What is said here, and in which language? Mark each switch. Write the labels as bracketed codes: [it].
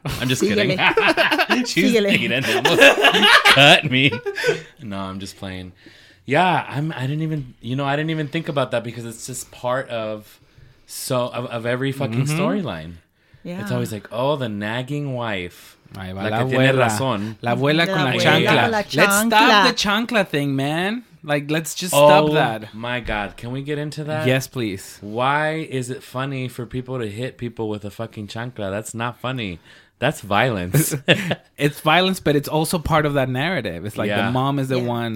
[en] I'm just kidding. She's making it almost cut me. No, I'm just playing. Yeah, I didn't even think about that because it's just part of so of every fucking mm-hmm. storyline. Yeah. It's always like, oh, the nagging wife. [es] Ay, va, la que abuela. Tiene razón. La abuela con la chancla. [en] Let's stop the chancla thing, man. Like, let's just stop that. Oh, my God. Can we get into that? Yes, please. Why is it funny for people to hit people with a fucking chancla? That's not funny. That's violence. It's violence, but it's also part of that narrative. It's like the mom is the one.